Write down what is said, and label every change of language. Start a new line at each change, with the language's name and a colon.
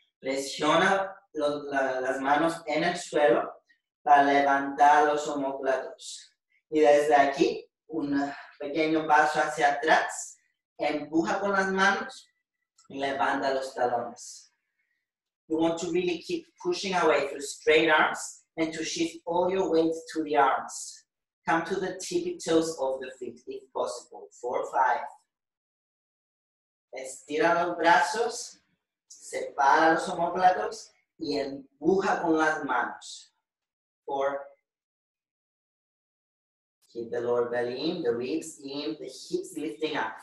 Spanish: Presiona las manos en el suelo para levantar los omóplatos. Y desde aquí, un pequeño paso hacia atrás. Empuja con las manos y levanta los talones.
English: You want to really keep pushing away through straight arms and to shift all your weight to the arms. Come to the tippy toes of the feet if possible. 4, 5.
Spanish: Estira los brazos. Separa los omóplatos y empuja con las manos. 4.
English: Keep the lower belly in, the ribs in, the hips lifting up.